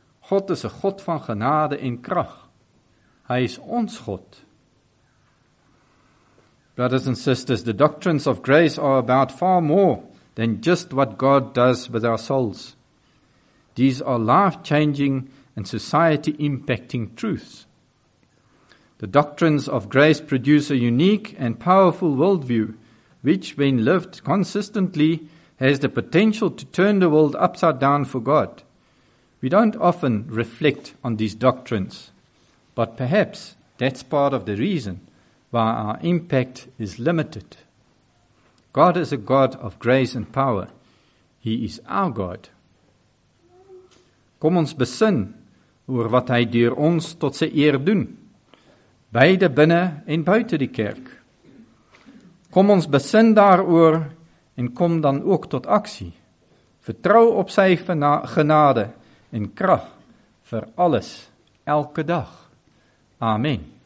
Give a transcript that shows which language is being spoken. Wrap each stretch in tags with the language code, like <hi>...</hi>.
<af>God is een God van genade en krag. Hy is ons God.</af> <en>Brothers and sisters, the doctrines of grace are about far more than just what God does with our souls. These are life-changing and society-impacting truths. The doctrines of grace produce a unique and powerful worldview, which, when lived consistently, has the potential to turn the world upside down for God. We don't often reflect on these doctrines, but perhaps that's part of the reason why our impact is limited. God is a God of grace and power. He is our God.</en> <af>Kom ons besin oor wat hy deur ons tot sy eer doen, beide binne en buite die kerk. Kom ons besin daaroor en kom dan ook tot aksie. Vertrou op sy genade en krag vir alles, elke dag. Amen.</af>